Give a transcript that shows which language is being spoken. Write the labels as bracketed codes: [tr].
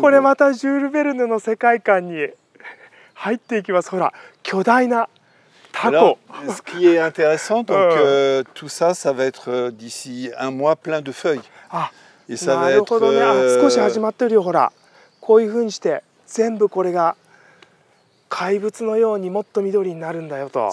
[ja] これまたジュールベルヌの世界観に入っていきます。ほら、巨大な。 [fr] Alors, ce qui est intéressant, donc, tout ça, ça va être d'ici un mois plein de feuilles. Ah, et ça va être. [ja] Ah, なるほどね。あ、少し始まってるよ。ほら、こういうふうにして全部これが怪物のようにもっと緑になるんだよと。